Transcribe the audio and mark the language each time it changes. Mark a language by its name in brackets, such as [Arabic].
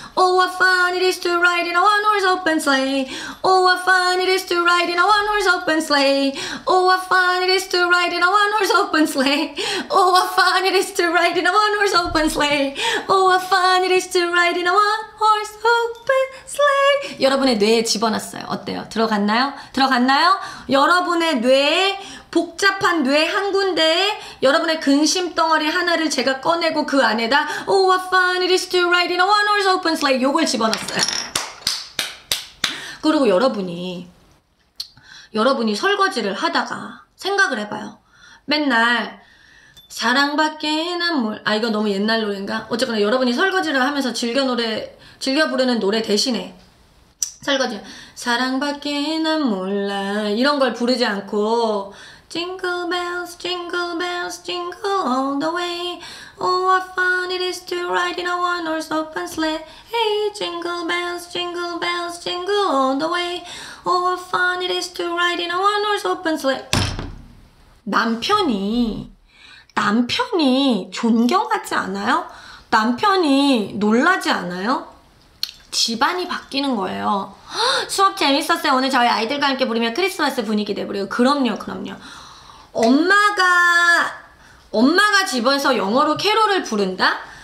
[English] Oh, what fun it is to ride in a one-horse open sleigh. Oh, what fun it is to ride in a one-horse open sleigh. Oh, what fun it is to ride in a one-horse open sleigh. Oh, what fun it is to ride in a one-horse open sleigh. Oh, what fun it is to ride in a one-horse open sleigh. [Korean] 여러분의 뇌에 집어넣었어요. 어때요? 들어갔나요? 들어갔나요? 여러분의 뇌에 복잡한 뇌 한 군데에 여러분의 근심 덩어리 하나를 제가 꺼내고 그 안에다 [English] Oh, what fun it is to ride in a one-horse open sleigh [Korean] 요걸 집어넣었어요. 그리고 여러분이 설거지를 하다가 생각을 해봐요. 맨날 사랑밖에 난 몰 아 이거 너무 옛날 노래인가? 어쨌거나 여러분이 설거지를 하면서 즐겨 부르는 노래 대신에 설거지 사랑밖에 난 몰라 이런 걸 부르지 않고 [English] Jingle bells, jingle bells, jingle all the way. Oh, what fun it is to ride in a one-horse open sleigh. Hey, jingle bells, jingle bells, jingle all the way. Oh, what fun it is to ride in a one-horse open sleigh. [Korean] 남편이 존경하지 않아요? 남편이 놀라지 않아요? 집안이 바뀌는 거예요. 수업 재밌었어요. 오늘 저희 아이들과 함께 부르며 크리스마스 분위기 내버려요. 그럼요, 그럼요. 엄마가 집에서 영어로 캐롤을 부른다?